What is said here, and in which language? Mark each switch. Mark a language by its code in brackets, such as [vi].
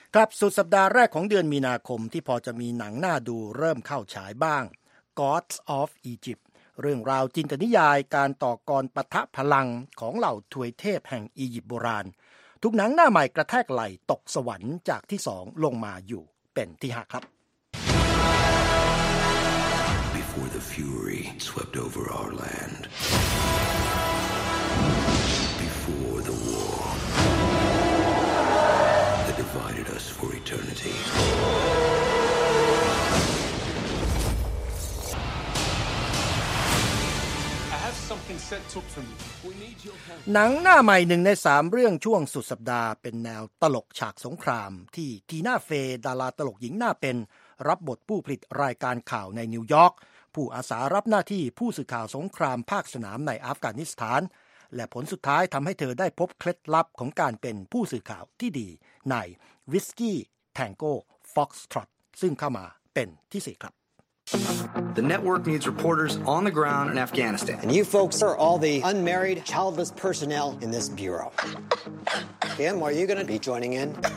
[th] ครับสุดสัปดาห์แรกของเดือนมีนาคมที่พอจะมีหนังน่าดูเริ่มเข้าฉายบ้าง Gods of Egypt เรื่องราวจินตนิยายการต่อกรปะทะพลังของเหล่าถวยเทพแห่งอียิปต์โบราณทุกหนังหน้าใหม่กระแทกไหลตกสวรรค์จากที่2ลงมาอยู่เป็นที่5ครับ [en] Before the fury swept over our land. Before the war that divided us for eternity. I have something set up for me. We need your help. [th] หนังหน้าใหม่หนึ่งในสามเรื่องช่วงสุดสัปดาห์เป็นแนวตลกฉากสงครามที่ทีน่าเฟย์ดาราตลกหญิงหน้าเป็นรับบทผู้ผลิตรายการข่าวในนิวยอร์กผู้อาสารับหน้าที่ผู้สื่อข่าวสงครามภาคสนามในอัฟกานิสถาน และผลสุดท้ายทำให้เธอได้พบเคล็ดลับของการเป็นผู้สื่อข่าวที่ดีในวิสกี้แทงโก้ฟ็อกซ์ทรอตซึ่งเข้ามาเป็นที่4ครับ [en] The network needs reporters on the ground in Afghanistan And you folks are all the unmarried childless personnel in this bureau Kim, are you going to be joining in?